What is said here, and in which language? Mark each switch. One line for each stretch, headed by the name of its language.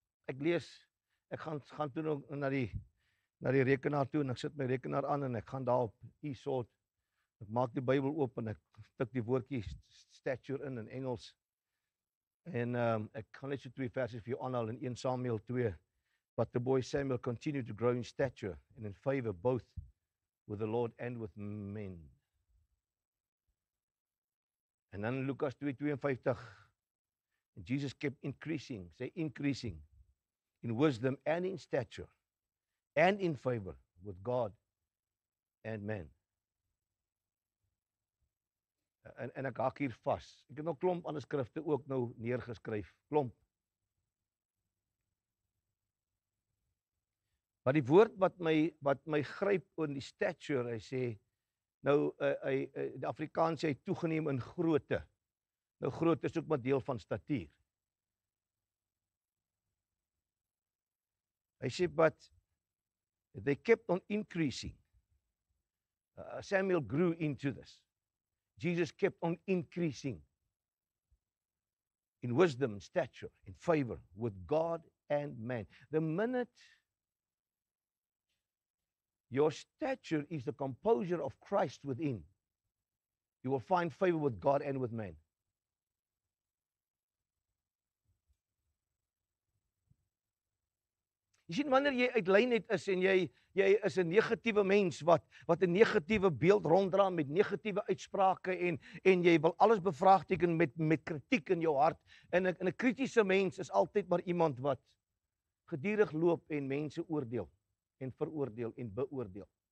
Afrikaans: Ek lees, ek gaan toe nou na die rekenaar toe en ek sit my rekenaar aan en ek gaan daar op e-sort. Ek maak die Bybel oop en ek tik die woordjie stature in Engels. En ek kan net so twee versies vir jou aanhaal in 1 Samuel 2.
English: But the boy Samuel continued to grow in stature and in favor both with the Lord and with men. And then Lucas 2:52, Jesus kept increasing, say increasing, in wisdom and in stature and in favor with God and men.
Afrikaans: En ek hak hier vas. Ek het nog klomp ander skrifte ook nou neergeskryf, klomp. Maar die woord wat my gryp oor die stature, hy sê, nou, die Afrikaans sê, hy toegeneem in grootte. Nou, grootte is ook maar deel van statuur. Hy sê,
English: but they kept on increasing. Samuel grew into this. Jesus kept on increasing in wisdom, stature, in favor with God and man. The minute your stature is the composure of Christ within, you will find favor with God and with men.
Afrikaans: Jy sien, wanneer jy uit lynheid is en jy is 'n negatiewe mens wat 'n negatiewe beeld ronddra met negatiewe uitsprake en jy wil alles bevraagteken met kritiek in jou hart en 'n kritiese mens is altyd maar iemand wat gedurig loop en mense oordeel en veroordeel en beoordeel.